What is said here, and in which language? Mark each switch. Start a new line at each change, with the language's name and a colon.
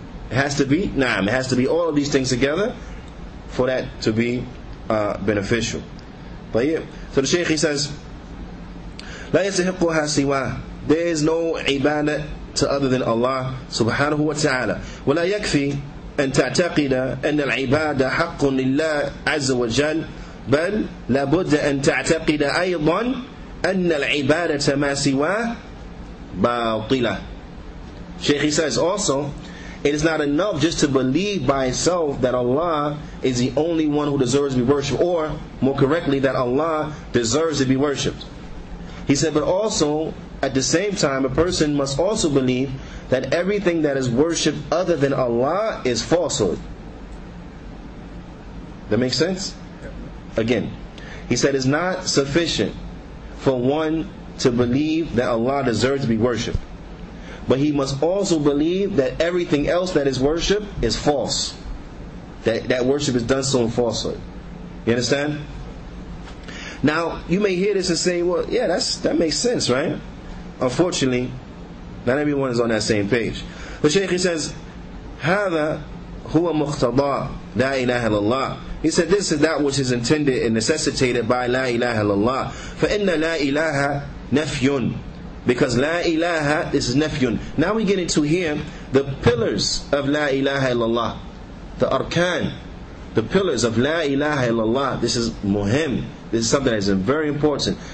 English: It has to be all of these things together for that to be beneficial. But yeah. So the Shaykh, he says,
Arabic: لا يستحقها سوى.
English: There is no ibadah to other than Allah subhanahu wa ta'ala.
Arabic: ولا يكفي أن تعتقد أن العبادة حق لله عز وجل بل لابد أن تعتقد أيضا أن العبادة ما سوى باطلة.
English: Shaykh, he says also, it is not enough just to believe by itself that Allah is the only one who deserves to be worshipped, or more correctly, that Allah deserves to be worshipped. He said, but also, at the same time, a person must also believe that everything that is worshipped other than Allah is falsehood. That makes sense? Again, he said, it's not sufficient for one to believe that Allah deserves to be worshipped. But he must also believe that everything else that is worship is false. That worship is done so in falsehood. You understand? Now, you may hear this and say, well, yeah, that makes sense, right? Unfortunately, not everyone is on that same page. The Shaykh, he says,
Arabic: هذا هو مقتضى لا إله إلا الله.
English: He said, this is that which is intended and necessitated by لا إله إلا الله.
Arabic: فَإِنَّ لَا إِلَهَ نَفْيٌ.
English: Because La ilaha, this is nafyun. Now we get into here the pillars of La ilaha illallah. The arkan. The pillars of La ilaha illallah. This is muhim. This is something that is very important.